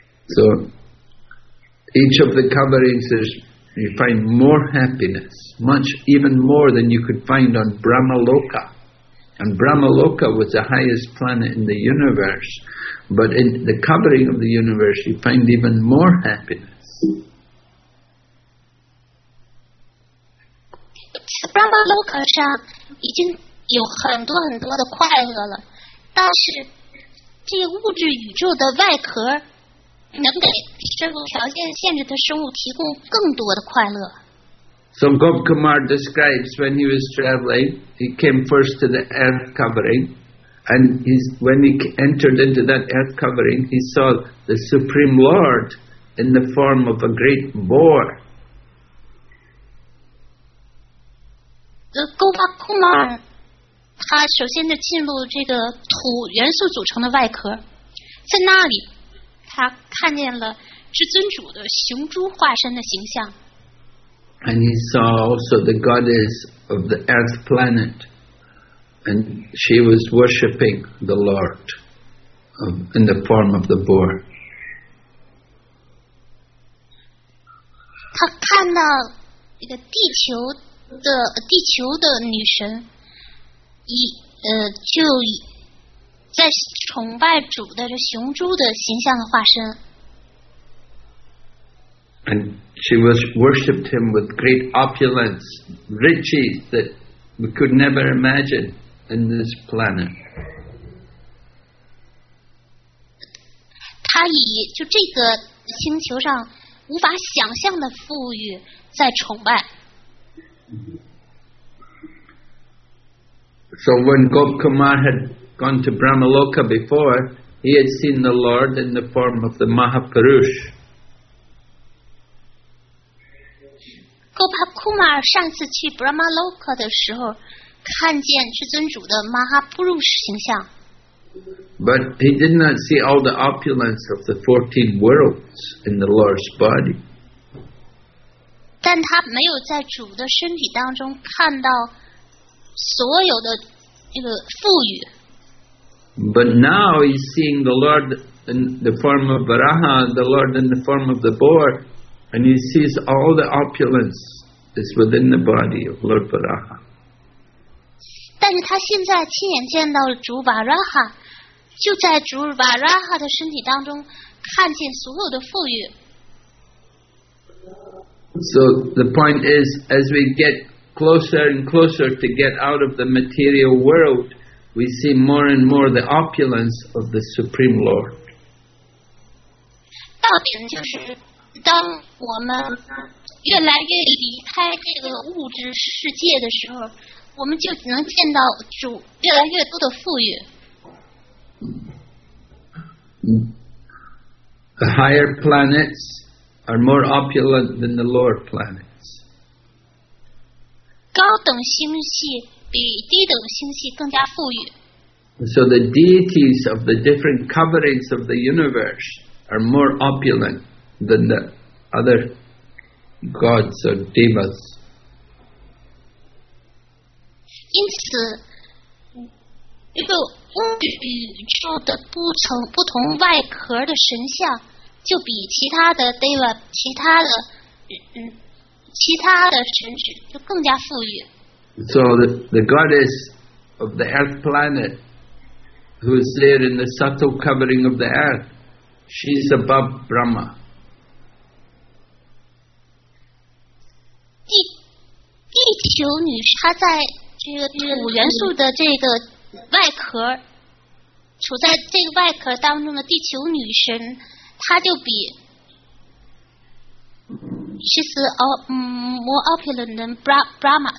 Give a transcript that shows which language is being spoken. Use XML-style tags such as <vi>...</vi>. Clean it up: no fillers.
<en>So each of the coverings is you find more happiness, much even more than you could find on Brahmaloka. And Brahmaloka was the highest planet in the universe, but in the covering of the universe, you find even more happiness.</en> <zh>Brahmaloka 上已经有很多很多的快乐了，但是这个物质宇宙的外壳能给生活条件限制的生物提供更多的快乐。</zh> <en>So Gop Kumar describes when he was traveling, he came first to the earth covering, and when he entered into that earth covering, he saw the Supreme Lord in the form of a great boar.</en> <zh>Gopa Kumar 他首先就进入这个土元素组成的外壳，在那里他看见了至尊主的雄猪化身的形象。</zh> <en>And he saw also the goddess of the earth planet, and she was worshipping the Lord in the form of the boar.</en> <zh>他看到一个地球的女神就在崇拜主的这雄猪的形象的化身。</zh> <en>And she was worshipped him with great opulence, riches that we could never imagine in this planet.</en> <zh>她以就这个星球上无法想象的富裕在崇拜。</zh> <en>So when Gop Kumar had gone to Brahmaloka before, he had seen the Lord in the form of the Mahapurush.</en> <zh>Gop Kumar 上次去 Brahmaloka 的时候，看见至尊主的 Mahapurush 形象。</zh> <en>But he did not see all the opulence of the 14 worlds in the Lord's body.</en> <zh>但他没有在主的身体当中看到所有的那个富裕。</zh> <en>But now he's seeing the Lord in the form of Varaha, the Lord in the form of the boar, and he sees all the opulence is within the body of Lord Varaha.</en> <zh>但是他现在亲眼见到了主 Varaha, 就在主 Varaha 的身体当中看见所有的富裕。</zh> <en>So the point is, as we get closer and closer to get out of the material world, we see more and more the opulence of the Supreme Lord.</en> <zh>到底就是当我们越来越离开这个物质世界的时候，我们就能见到主越来越多的富裕。</zh> <en>The higher planets are more opulent than the lower planets.</en> <zh>高等星系比低等星系更加富裕。</zh> <en>So the deities of the different coverings of the universe are more opulent than the other gods or devas.</en> <zh>因此，一个物质宇宙的不同外壳的神像，就比其他的 deva、其他的神祇就更加富裕。</zh> <en>So the goddess of the earth planet, who is there in the subtle covering of the earth, she is above Brahma.</en> <zh>地球女神她在这个五元素的这个外壳，处在这个外壳当中的地球女神，她就比</zh> <en>she's more opulent than Brahma.</en>